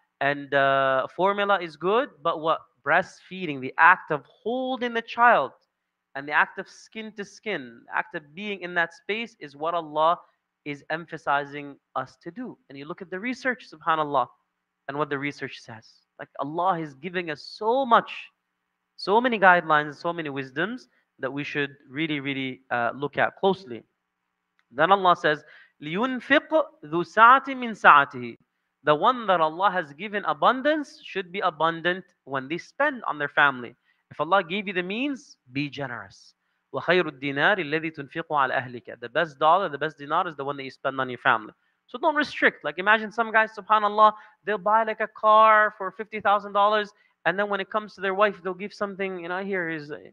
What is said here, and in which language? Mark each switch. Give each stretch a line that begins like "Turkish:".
English: And formula is good. But what? Breastfeeding, the act of holding the child and the act of skin to skin, the act of being in that space is what Allah is emphasizing us to do. And you look at the research, subhanAllah, and what the research says. Like, Allah is giving us so much, so many guidelines, so many wisdoms that we should really, really look at closely. Then Allah says,
Arabic: لِيُنْفِقْ ذُو سَعَةٍ مِّن سَعَتِهِ.
English: The one that Allah has given abundance should be abundant when they spend on their family. If Allah gave you the means, be generous.
Arabic: وَخَيْرُ الدِّنَارِ الَّذِي تُنْفِقُ عَلَى أَهْلِكَ.
English: The best dollar, the best dinar is the one that you spend on your family. So don't restrict. Like, imagine some guys, subhanAllah, they'll buy like a car for $50,000, and then when it comes to their wife, they'll give something, you know, here is...